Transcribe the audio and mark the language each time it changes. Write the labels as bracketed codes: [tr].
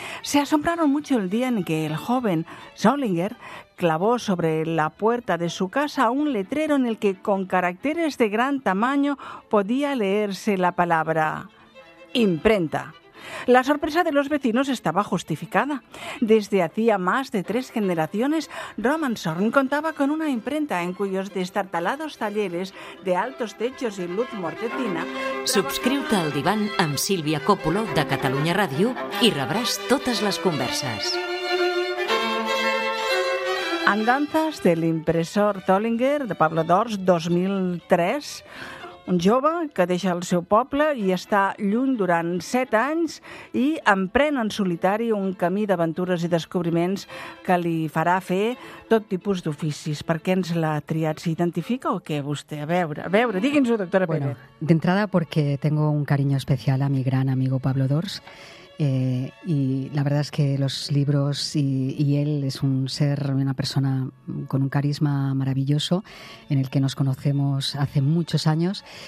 [es] se asombraron mucho el día en que el joven Solinger clavó sobre la puerta de su casa un letrero en el que, con caracteres de gran tamaño, podía leerse la palabra «imprenta». La sorpresa de los vecinos estaba justificada. Desde hacía más de tres generaciones, Romanshorn contaba con una imprenta en cuyos destartalados talleres de altos techos y luz mortecina... [ca] Subscriu-te al Divan amb Sílvia Coppolo de Catalunya Ràdio i rebràs totes les converses. Andanzas de l'impressor Tollinger, de Pablo Dors, 2003. Un jove que deixa el seu poble i està lluny durant 7 anys i emprèn en solitari un camí d'aventures i descobriments que li farà fer tot tipus d'oficis. Per què ens l'ha triat? S'identifica o què, vostè? A veure, digui'ns-ho, doctora Pérez. [es] Bueno, [ca] d'entrada, perquè [es] tengo un cariño especial a mi gran amigo Pablo Dors, y la verdad es que los libros y él es un ser, una persona con un carisma maravilloso, en el que nos conocemos hace muchos años.